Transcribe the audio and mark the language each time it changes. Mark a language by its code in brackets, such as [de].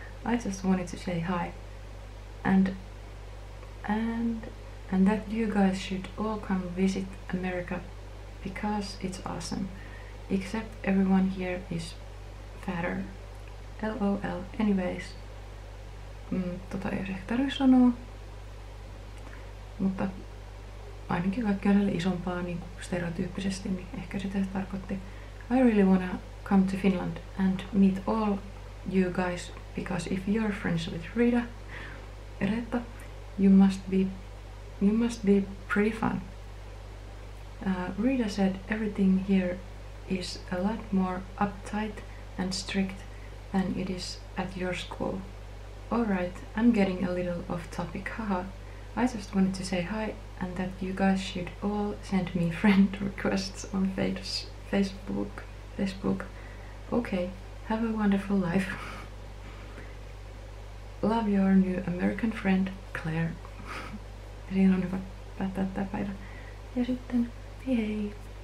[en] I just wanted to say hi, and that you guys should all come visit America, because it's awesome. Except everyone here is fatter. LOL. [fi] Anyways, ei tarvitse sanoa, mutta ainakin kaikki on isompaa niin kuin stereotyyppisesti, niin ehkä sitä tarkoitti. [en] I really wanna come to Finland and meet all you guys, because if you're friends with Reetta, you must be pretty fun. Reetta said everything here is a lot more uptight and strict than it is at your school. Alright, I'm getting a little off topic, haha. I just wanted to say hi and that you guys should all send me friend requests on Facebook. Okay, have a wonderful life. Love your new American friend, Claire. [fi] Siinä on hyvä päättää tämä päivä. Ja sitten, hei!